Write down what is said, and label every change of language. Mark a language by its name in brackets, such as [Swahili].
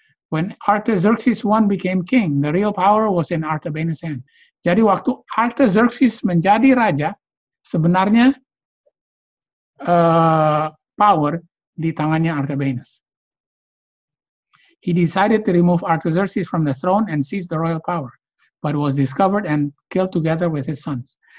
[English] When Artaxerxes I became king, the real power was in Artabanus' hand. [Indonesian] Jadi waktu Artaxerxes menjadi raja, sebenarnya power di tangannya Artabanus. [English] He decided to remove Artaxerxes from the throne and seize the royal power, but was discovered and killed together with his sons.